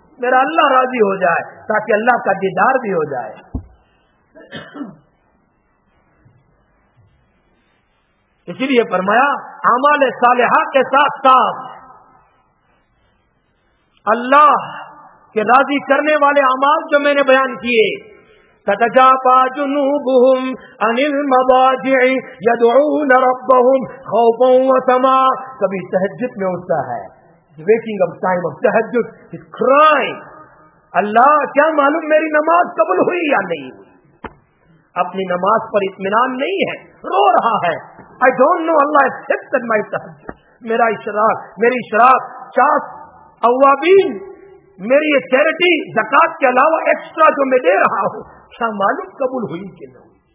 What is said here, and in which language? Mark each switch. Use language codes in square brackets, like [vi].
[ur] میرا اللہ راضی ہو جائے تاکہ اللہ کا دیدار بھی ہو جائے. اس لیے فرمایا اعمال صالحہ کے ساتھ ساتھ اللہ کے راضی کرنے والے اعمال جو میں نے بیان کیے. [ar] تتجافى جنوبهم عن المضاجع يدعون ربهم خوفا وطمعا. [ur] کبھی تہجد میں ہوتا ہے [en] waking up time of تہجد is crying [ur] اللہ کیا معلوم میری نماز قبول ہوئی یا نہیں, اپنی نماز پر اطمینان نہیں ہے, رو رہا ہے. [en] I don't know Allah accepted my تہجد, [ur] میرا اشراق, میری اشراق چاس اوابین, میری یہ چیریٹی زکات کے علاوہ ایکسٹرا جو میں دے رہا ہوں کیا معلوم قبول ہوئی کہ نہ ہوئی.